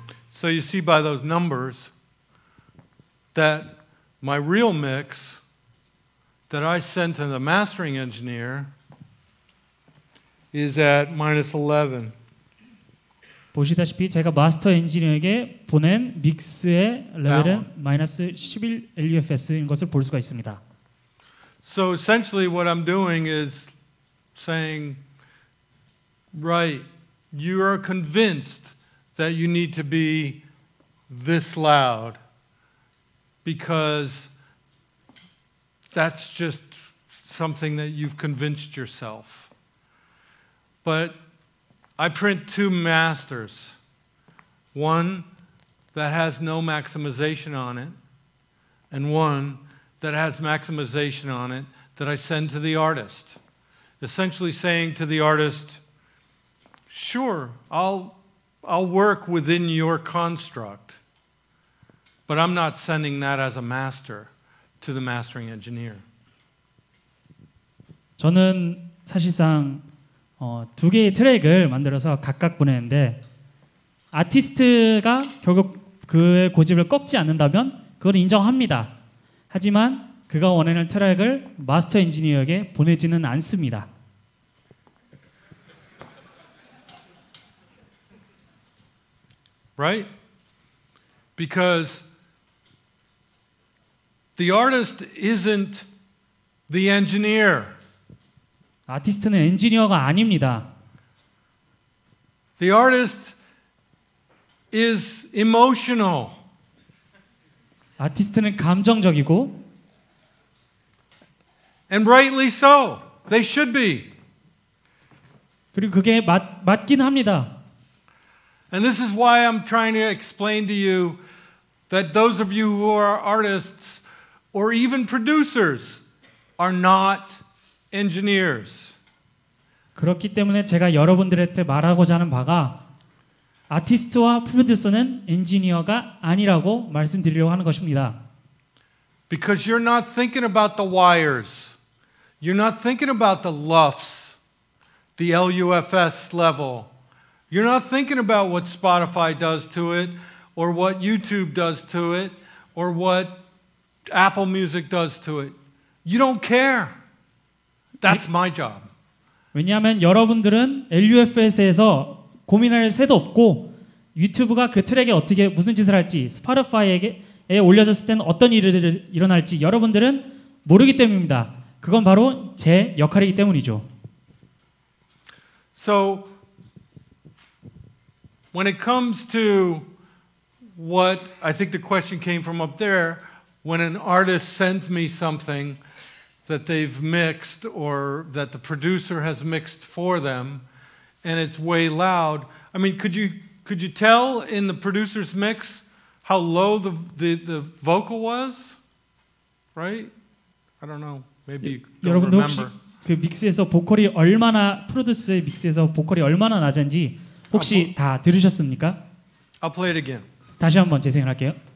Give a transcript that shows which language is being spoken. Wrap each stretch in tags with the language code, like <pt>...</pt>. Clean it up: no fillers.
<en>So you see by those numbers that my real mix that I sent to the mastering engineer is at minus 11.</en> <ko>보시다시피 제가 마스터 엔지니어에게 보낸 믹스의 레벨은 마이너스 11 LUFS인 것을 볼 수가 있습니다.</ko> <en>So essentially what I'm doing is saying, right, you are convinced that you need to be this loud because that's just something that you've convinced yourself. But I print two masters, one that has no maximization on it and one that has maximization on it that I send to the artist, essentially saying to the artist, sure, I'll work within your construct. But I'm not sending that as a master to the mastering engineer.</en> <ko>저는 사실상 두 개의 트랙을 만들어서 각각 보냈는데 아티스트가 결국 그의 고집을 꺾지 않는다면 그건 인정합니다. 하지만 그가 원하는 트랙을 마스터 엔지니어에게 보내지는 않습니다.</ko> <en>Right? Because the artist isn't the engineer.</en> <ko>아티스트는 엔지니어가 아닙니다.</ko> <en>The artist is emotional.</en> <ko>아티스트는 감정적이고</ko> <en>and rightly so. They should be.</en> <ko>그리고 그게 맞긴 합니다.</ko> <en>And this is why I'm trying to explain to you that those of you who are artists or even producers are not engineers.</en> <ko>그렇기 때문에 제가 여러분들한테 말하고자 하는 바가 아티스트와 프로듀서는 엔지니어가 아니라고 말씀드리려고 하는 것입니다.</ko> <en>Because you're not thinking about the wires. You're not thinking about the LUFS, the LUFS level. You're not thinking about what Spotify does to it or what YouTube does to it or what Apple Music does to it. You don't care. That's my job.</en> <ko>왜냐하면 여러분들은 LUFS에 대해서 고민할 새도 없고 유튜브가 그 트랙에 어떻게 무슨 짓을 할지 스포티파이에 올려졌을 때는 어떤 일이 일어날지 여러분들은 모르기 때문입니다. 그건 바로 제 역할이기 때문이죠.</ko> <en>So when it comes to what I think the question came from up there, when an artist sends me something that they've mixed or that the producer has mixed for them and it's way loud, I mean, could you tell in the producer's mix how low the vocal was? Right? I don't know. Maybe you don't remember.</en> <ko>여러분도 혹시 그 믹스에서 보컬이 얼마나 프로듀서의 믹스에서 보컬이 얼마나 낮은지 혹시 다 들으셨습니까?</ko> <en>I'll play it again.</en> <ko>다시 한번 재생을 할게요.</ko>